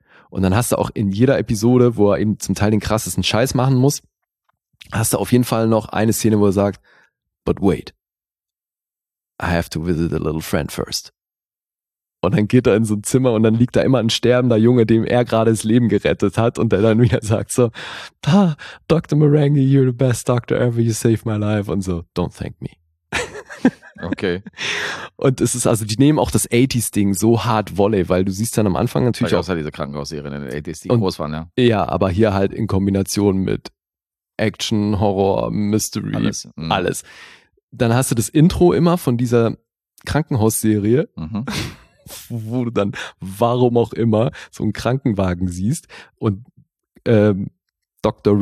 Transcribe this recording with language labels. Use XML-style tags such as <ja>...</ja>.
<de>Und dann hast du auch in jeder Episode, wo er eben zum Teil den krassesten Scheiß machen muss, hast du auf jeden Fall noch eine Szene, wo er sagt,</de> <en>but wait, I have to visit a little friend first.</en> <de>Und dann geht er in so ein Zimmer und dann liegt da immer ein sterbender Junge, dem er gerade das Leben gerettet hat und der dann wieder sagt so, da, Dr.</de> <en>Marenghi, you're the best doctor ever, you saved my life</en> <de>und so,</de> <en>don't thank me.</en> <de>Okay. Und es ist also, die nehmen auch das 80s-Ding so hart Volley, weil du siehst dann am Anfang natürlich auch diese Krankenhausserien in den 80s, die groß waren, ja. Ja, aber hier halt in Kombination mit Action, Horror, Mystery, alles. Dann hast du das Intro immer von dieser Krankenhausserie, wo du dann, warum auch immer, so einen Krankenwagen siehst und Dr.</de>